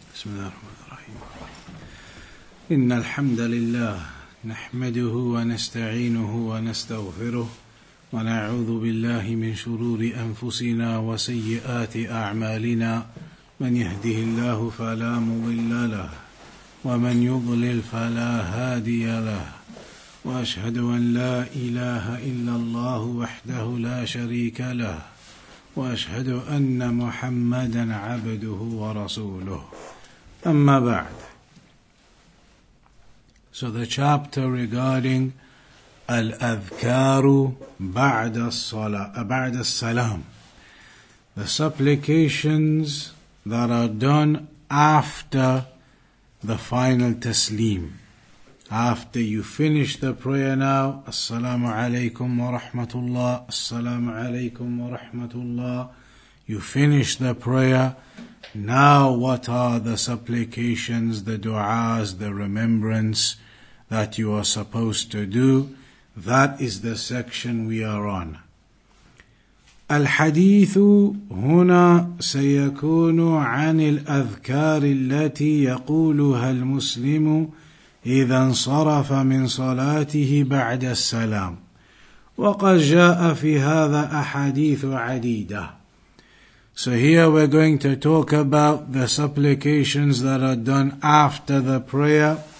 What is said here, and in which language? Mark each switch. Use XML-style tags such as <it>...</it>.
<ar>بسم الله الرحمن الرحيم إن الحمد لله نحمده ونستعينه ونستغفره ونعوذ بالله من شرور أنفسنا وسيئات أعمالنا من يهده الله فلا مضل له ومن يضلل فلا هادي له وأشهد أن لا إله إلا الله وحده لا شريك له وأشهد أن محمدا عبده ورسوله أما بعد.</ar> <en>So the chapter regarding</en> <ar>al-adhkaru ba'da as-salam,</ar> <en>the supplications that are done after the final tasleem. After you finish the prayer now,</en> <ar>assalamu alaykum wa rahmatullah,</ar> <en>assalamu alaykum wa rahmatullah, you finish the prayer, now what are the supplications, the du'as, the remembrance that you are supposed to do? That is the section we are on.</en> <ar>الحديث هنا سيكون عن الأذكار التي يقولها المسلم إذا انصرف من صلاته بعد السلام. وقد جاء في هذا أحاديث عديدة.</ar> <en>So here we're going to talk about the supplications that are done after the prayer.</en>